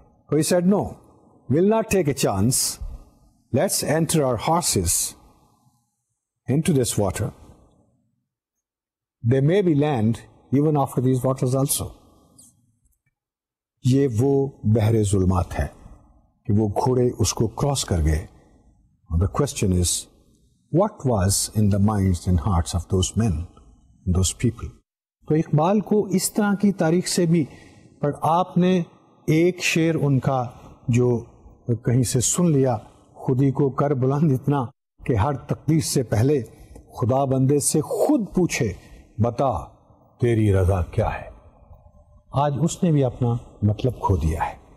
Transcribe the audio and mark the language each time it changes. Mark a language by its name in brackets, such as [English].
[English] تو he said no, will not take a chance, let's enter our horses into this water, they may be land even after these waters also. [Urdu] یہ وہ بحر ظلمات ہے کہ وہ گھوڑے اس کو کراس کر گئے. [English] The question is what was in the minds and hearts of those men, those people. [Urdu] تو اقبال کو اس طرح کی تاریخ سے بھی, پر آپ نے ایک شعر ان کا جو کہیں سے سن لیا, خودی کو کر بلند اتنا کہ ہر تقدیر سے پہلے خدا بندے سے خود پوچھے بتا تیری رضا کیا ہے, آج اس نے بھی اپنا مطلب کھو دیا ہے.